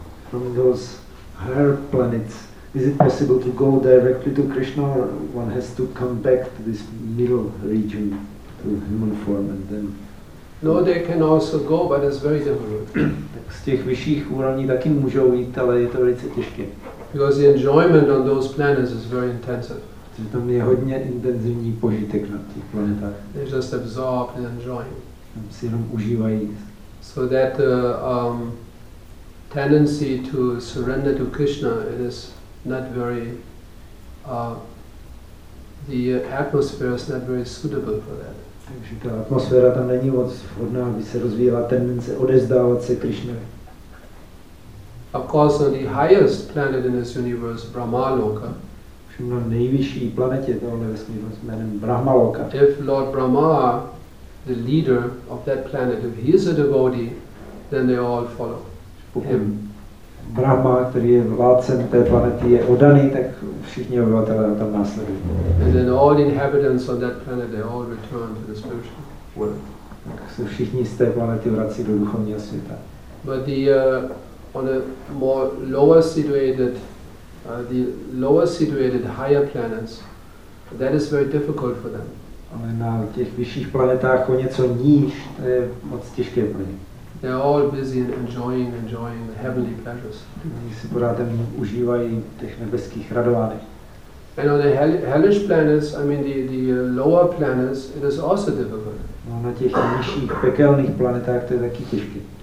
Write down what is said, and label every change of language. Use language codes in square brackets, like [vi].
[en] From those higher planets, is it possible to go directly to Krishna, or one has to come back to this middle region, to human form, and then? No, they can also go, but it's very difficult. [cs] Tak z těch vyšších úrovní taky můžou jít, ale je to velice těžké. [en] Because the enjoyment on those planets is very intensive. [cs] Protože tam je hodně intenzivní požitek na těch planetách. [en] They just absorb and enjoy. [cs] Tam si jenom užívají [en] So that the tendency to surrender to Krishna is not very, the atmosphere is not very suitable for that. [cs] Takže ta atmosféra tam není moc vhodná, aby se rozvíjela tendence odezdávat se Krishna. [en] Of course, on the highest planet in this universe, Brahmaloka. [cs] Na nejvyšší planetě tohle vesmíru s jménem Brahmaloka. [en] If Lord Brahma, the leader of that planet, if he is a devotee, then they all follow him. [cs] Brahma, který je vládcem té planety, je oddaný, tak všichni obyvatelé tam následují. [en] And then all inhabitants on that planet, they all return to the spiritual world. [cs] Tak se všichni z té planety vrací do duchovního světa. [en] But the on a more lower situated, the lower situated higher planets, that is very difficult for them. [cs] Ale na těch vyšších planetách o něco níž, to je moc těžké pro ně. [en] They are all busy enjoying the heavenly pleasures. [cs] Oni si pořád užívají těch nebeských radovánek. [en] And on the hellish planets, I mean the lower planets, it is also difficult. [cs] No, na těch nižších pekelných planetách to je taky těžké.